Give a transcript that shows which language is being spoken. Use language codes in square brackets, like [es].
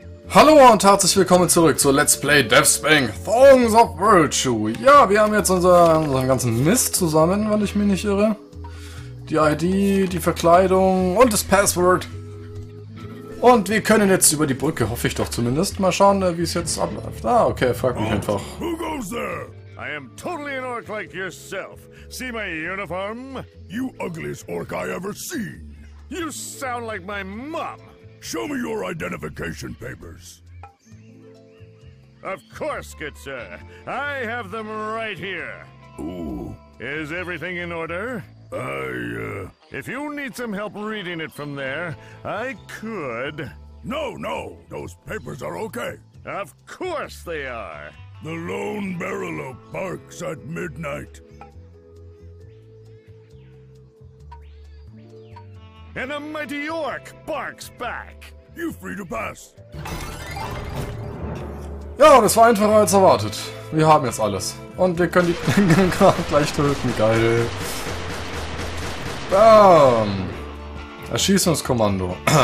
[de] Hallo und herzlich willkommen zurück zu Let's Play Deathspang Thongs of Virtue. Ja, wir haben jetzt unseren ganzen Mist zusammen, wenn ich mich nicht irre. Die ID, die Verkleidung und das Passwort. Und wir können jetzt über die Brücke, hoffe ich doch zumindest. Mal schauen, wie es jetzt abläuft. Ah, okay, frag mich einfach. [en] Who goes there? I am totally an orc like yourself. See my uniform? You ugliest orc I ever seen. You sound like my mom. Show me your identification papers. Of course, good sir. I have them right here. Ooh. Is everything in order? If you need some help reading it from there, I could. No. Those papers are okay. Of course they are. The lone barrel oak barks at midnight. And a mighty orc barks back. You free to pass. [de] Ja, das war einfacher als erwartet. Wir haben jetzt alles. Und wir können die Klingel gleich töten. Geil. Bam. Erschießungskommando.